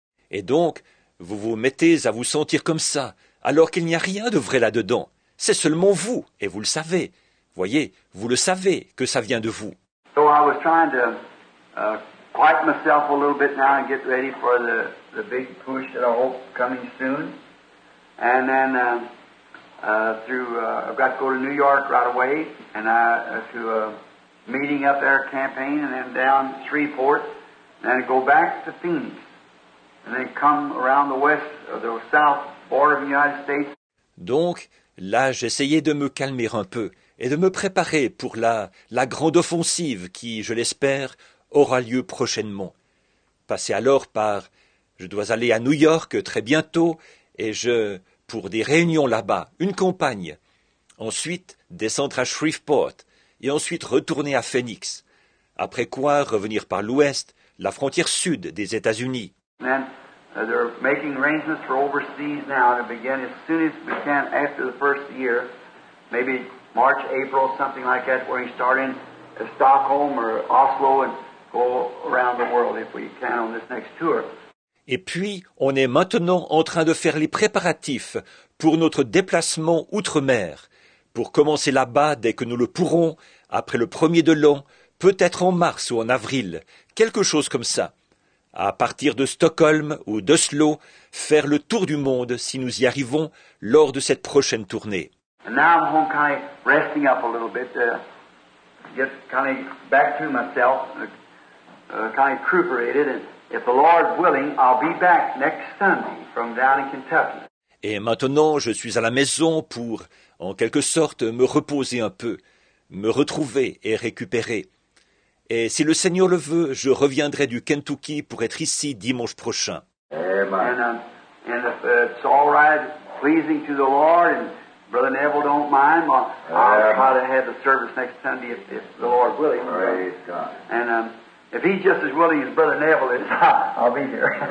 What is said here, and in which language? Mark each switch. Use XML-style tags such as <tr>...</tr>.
<fr>Et donc, vous vous mettez à vous sentir comme ça, alors qu'il n'y a rien de vrai là-dedans. C'est seulement vous, et vous le savez. Voyez, vous le savez que ça vient de vous.</fr> <en>So I was trying to, quiet myself a little bit now and get ready for the big push that I hope coming soon. And then I've got to go to New York right away and to a meeting up there, campaign, and then down Shreveport, and then go back to Phoenix, and then come around the west or the south border of the United States.</en> <fr>Donc là, j'essayais de me calmer un peu et de me préparer pour la grande offensive qui, je l'espère, aura lieu prochainement. Passer alors par... Je dois aller à New York très bientôt et pour des réunions là-bas, une campagne. Ensuite, descendre à Shreveport et ensuite retourner à Phoenix. Après quoi, revenir par l'ouest, la frontière sud des États-Unis.</fr> <en>They're making arrangements for overseas now to begin as soon as we can after the first year, maybe March, April, something like that, where you start in Stockholm or Oslo and go around the world if we can on this next tour.</en> <fr>Et puis, on est maintenant en train de faire les préparatifs pour notre déplacement outre-mer, pour commencer là-bas dès que nous le pourrons, après le premier de l'an, peut-être en mars ou en avril, quelque chose comme ça. À partir de Stockholm ou d'Oslo, faire le tour du monde si nous y arrivons lors de cette prochaine tournée.</fr> <en>And now I'm home kind of resting up a little bit, get kind of back to myself, kind of recuperated and... If the Lord willing, I'll be back next Sunday from down in Kentucky.</en> <fr>Et maintenant, je suis à la maison pour, en quelque sorte, me reposer un peu, me retrouver et récupérer. Et si le Seigneur le veut, je reviendrai du Kentucky pour être ici dimanche prochain.</fr> <en>Amen. And if it's all right, pleasing to the Lord, and Brother Neville don't mind, I'll try to have the service next Sunday if the Lord willing. Praise God. And If he's just as willing as Brother Neville is, I'll be here.</en>